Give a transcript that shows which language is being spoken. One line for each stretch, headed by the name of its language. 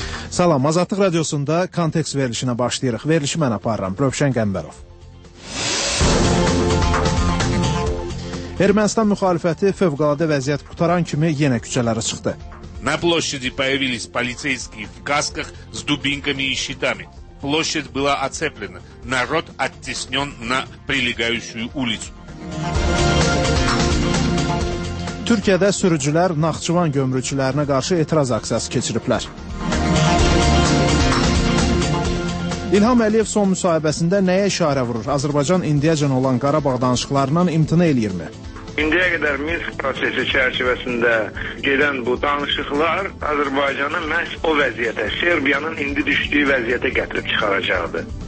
Azerbaijani: Salam, Azadlıq Radiosunda Kontekst verilişinə başlayırıq. Verilişi mən aparıram, Rövşən Qəmbərov. Ermənistan müxalifəti fövqəladə vəziyyət qurtaran kimi yenə küçələrə çıxdı.
Russian: На площади появились полицейские в касках с дубинками и щитами. Площадь была оцеплена. Народ оттеснен на прилегающую улицу.
Azerbaijani: Türkiyədə sürücülər Naxçıvan gömrükçülərinə qarşı etiraz aksiyası keçiriblər. İlham Əliyev son müsahibəsində nəyə işarə vurur? Azərbaycan indiyəcən olan Qarabağ danışıqlarından imtina eləyirmi? İndiyə qədər Minsk prosesi çərçivəsində gedən bu danışıqlar Azərbaycanı məhz o vəziyyətə, Serbiyanın indi düşdüyü vəziyyətə gətirib çıxaracaqdı.